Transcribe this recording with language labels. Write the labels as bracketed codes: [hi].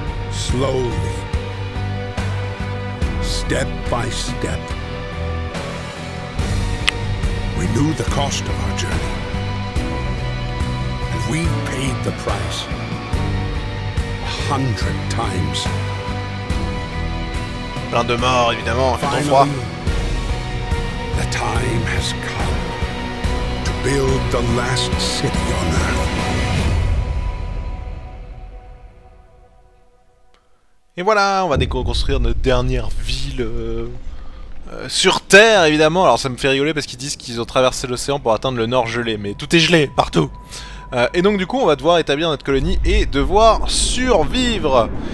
[en] Slowly, step by step, we knew the cost of our journey, and we paid the price. 100 times. [fr] Plein de morts, évidemment, il fait trop froid. [en] The time has come to build the last city on Earth. [fr] Et voilà, on va déconstruire notre dernière ville sur Terre, évidemment. Alors ça me fait rigoler parce qu'ils disent qu'ils ont traversé l'océan pour atteindre le nord gelé, mais tout est gelé partout. Et donc du coup on va devoir établir notre colonie et devoir survivre.